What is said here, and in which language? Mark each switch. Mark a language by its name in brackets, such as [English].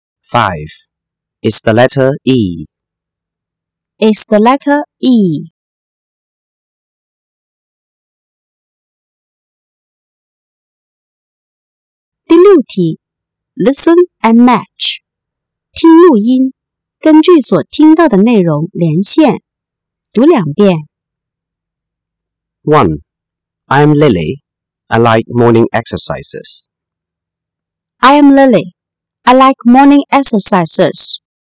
[English] 5. It's the letter E. It's the letter E. [Chinese] 第六题 [English] ,listen and match. [Chinese] 听录音根据所听到的内容连线。读两遍。 [English] 1. I'm Lily. I like morning exercises. I am Lily. I like morning exercises.